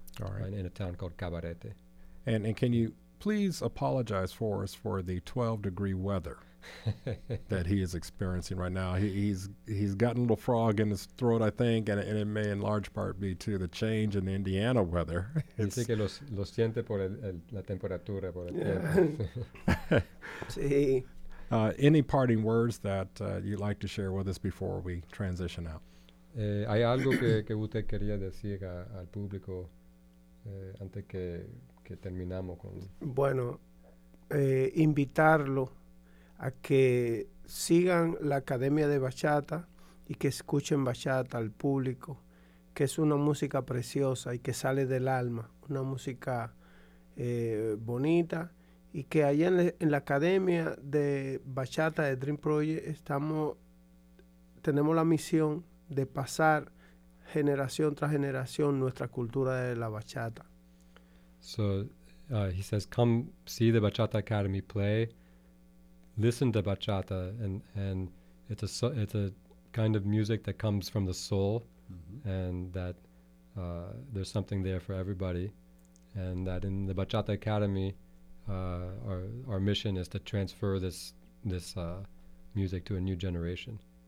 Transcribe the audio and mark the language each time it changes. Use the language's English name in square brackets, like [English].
[English] All right. In a town called Cabarete. And can you please apologize for us for the 12-degree weather that he is experiencing right now? He's gotten a little frog in his throat, I think, and it may in large part be to the change in the Indiana weather. [Spanish] Dice que lo siente por la temperatura, por el tiempo. Sí. [English] Any parting words that you'd like to share with us before we transition out? [Spanish] Hay algo que usted quería decir al público antes que terminamos con... Bueno, invitarlo a que sigan la Academia de Bachata y que escuchen bachata al público, que es una música preciosa y que sale del alma, una música bonita. Y que allá en la Academia de Bachata de Dream Project tenemos la misión de pasar generación tras generación nuestra cultura de la bachata. [English] So he says, come see the Bachata Academy play, listen to bachata, and it's a kind of music that comes from the soul, mm-hmm. and that there's something there for everybody, and that in the Bachata Academy, our mission is to transfer this music to a new generation.